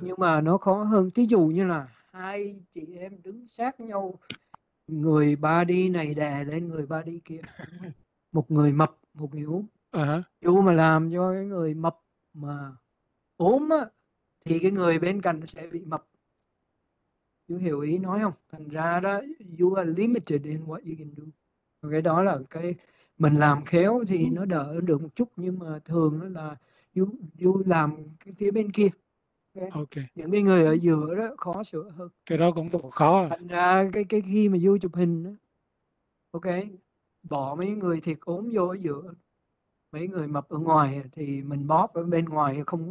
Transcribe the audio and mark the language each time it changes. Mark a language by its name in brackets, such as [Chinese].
[Vietnamese] nhưng mà nó khó hơn. Thí dụ như là hai chị em đứng sát nhau người ba đi này đè lên người ba đi kia, một người mập một người ốm, dù mà làm cho cái người mập mà ốm á thì cái người bên cạnh sẽ bị mập, chú hiểu ý nói không? Thành ra đó [English] you are limited in what you can do. [Vietnamese] Và cái đó là cái mình làm khéo thì nó đỡ được một chút, nhưng mà thường nó là du làm cái phía bên kia, Ok. những cái người ở giữa đó khó sửa hơn. Cái đó cũng khó. Thành ra cái khi mà du chụp hình đó, ok, bỏ mấy người thiệt ốm vô ở giữa, mấy người mập ở ngoài thì mình bóp ở bên ngoài không